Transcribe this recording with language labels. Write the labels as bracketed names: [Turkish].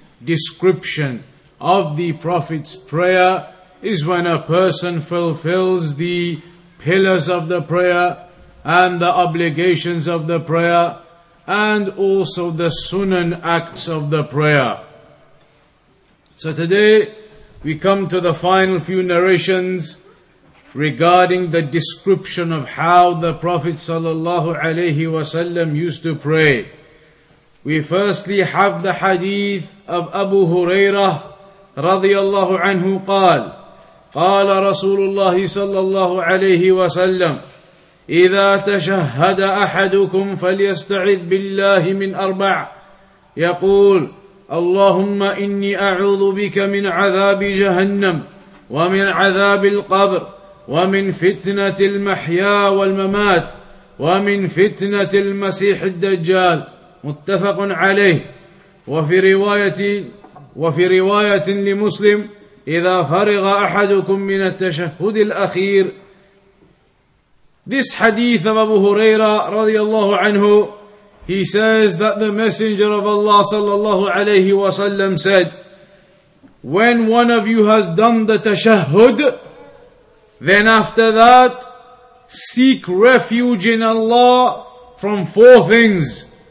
[English] description of the Prophet's prayer is when a person fulfills the pillars of the prayer and the obligations of the prayer, and also the sunan acts of the prayer. So today, we come to the final few narrations regarding the description of how the Prophet sallallahu alaihi wasallam used to pray. We firstly have the hadith of Abu Hurairah radiyallahu anhu qal, qala Rasulullah sallallahu alaihi wasallam, [Arabic] إذا تشهد أحدكم فليستعذ بالله من أربع يقول اللهم إني أعوذ بك من عذاب جهنم ومن عذاب القبر ومن فتنة المحيا والممات ومن فتنة المسيح الدجال. متفق عليه. وفي رواية لمسلم إذا فرغ أحدكم من التشهد الأخير. [English] This hadith of Abu Huraira radiallahu anhu, he says that the Messenger of Allah sallallahu alayhi wa sallam said, when one of you has done the tashahhud, then after that, seek refuge in Allah from four things.